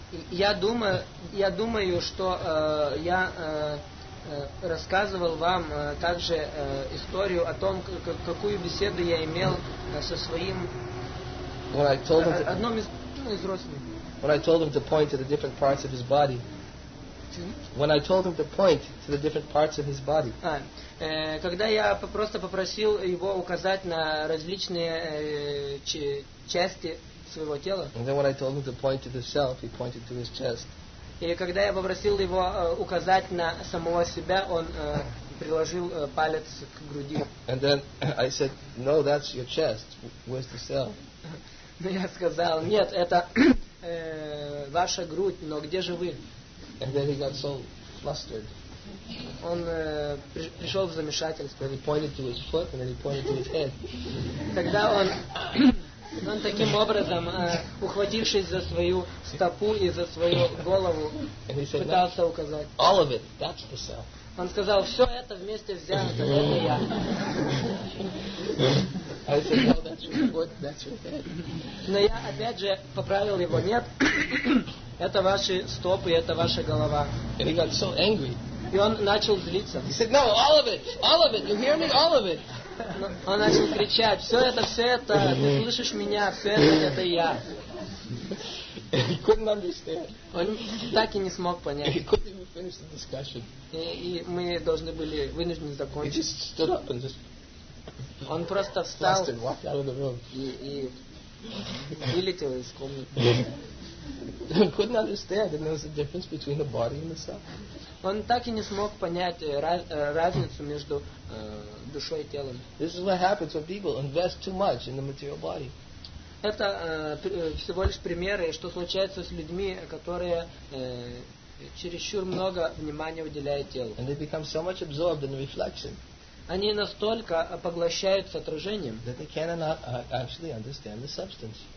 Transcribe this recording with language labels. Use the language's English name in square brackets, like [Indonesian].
[Russian] Я думаю, что я рассказывал вам также историю о том, какую беседу я имел со своим одним из родственников. [English] When I told him to point to the different parts of his body. When I told him to point to the different parts of his body. [Russian] Когда я просто попросил его указать на различные части своего тела. [English] And then when I told him to point to the self, he pointed to his chest. [Russian] И когда я попросил его указать на самого себя, он приложил палец к груди. [English] And then I said, "No, that's your chest. Where's the self?" [Russian] Но я сказал, нет, это ваша грудь, но где же вы? [English] And then he got so flustered. [Russian] Он пришел в замешательство. [English] And he pointed to his foot, and then he pointed to his head. [Russian] Тогда он таким образом, ухватившись за свою стопу и за свою голову, [English] and he said, [Russian] пытался указать. [English] All of it, that's the cell. [Russian] Он сказал, все это вместе взято, это я. [English] I said, no, that's your foot, that's your head. [Russian] Но я опять же поправил его, нет, это ваши стопы, это ваша голова. [English] And he got so angry. [Russian] И он начал злиться. [English] He said, no, all of it, you hear me, all of it. [Russian] Он начал кричать, все это, ты слышишь меня, все это я. [English] He couldn't understand. [Russian] Он так и не смог понять. [English] He couldn't even finish the discussion. [Russian] И мы должны были вынуждены закончить. [English] He just stood up and just [Russian] он просто встал [English] and walked out of the room. [Russian] И вылетел из комнаты. [English] He couldn't understand that there was a difference between the body and the self. [Russian] Он так и не смог понять разницу между душой и телом. [English] This is what happens when people invest too much in the material body. [Russian] Это всего лишь примеры, что случается с людьми, которые чересчур много внимания уделяют телу. [English] And they become so much absorbed in the reflection. [Russian] Они настолько поглощаются отражением, [English] that they cannot actually understand the substance.